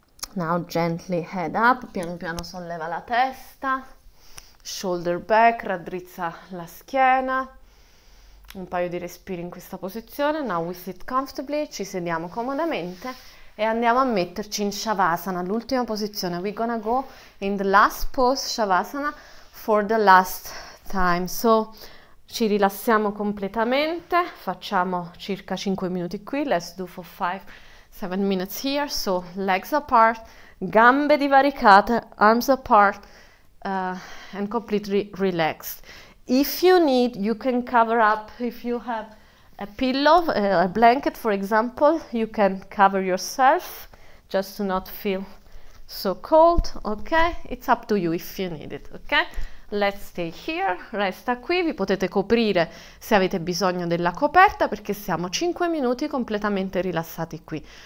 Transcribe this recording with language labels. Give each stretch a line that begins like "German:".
English: Now gently head up,
Italian: piano piano solleva la testa,
English: shoulder back,
Italian: raddrizza la schiena, un paio di respiri in questa posizione.
English: Now we sit comfortably,
Italian: ci sediamo comodamente e andiamo a metterci in Shavasana, l'ultima posizione.
English: We're gonna go in the last pose, Shavasana, for the last time.
Italian: So ci rilassiamo completamente, facciamo circa 5 minuti qui,
English: let's do for 5. 7 minutes here, so legs apart,
Italian: gambe divaricate,
English: arms apart, and completely relaxed. If you need, you can cover up. If you have a pillow, a blanket, for example, you can cover yourself just to not feel so cold. Okay, it's up to you if you need it. Okay, Let's stay here,
Italian: resta qui, vi potete coprire se avete bisogno della coperta perché siamo 5 minuti completamente rilassati qui.